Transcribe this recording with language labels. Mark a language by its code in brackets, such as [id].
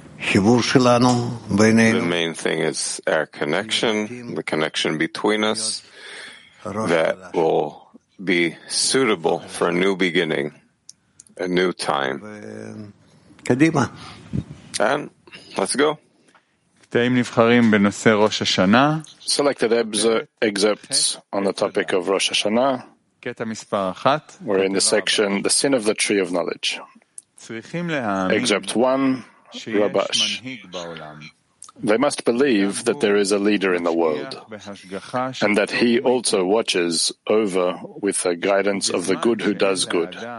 [en] The main thing is our connection, the connection between us, that will be suitable for a new beginning, a new time. And let's go. [he] קטעים נבחרים בנושא ראש השנה. [en] Selected excerpts on the topic of Rosh Hashanah. [he] קטע מספר אחת. [en] We're in the section, the sin of the tree of knowledge. [he] צריכים להאמין. [en] Excerpt one, Rabash. They must believe that there is a leader in the world, and that he also watches over with the guidance of the good who does good.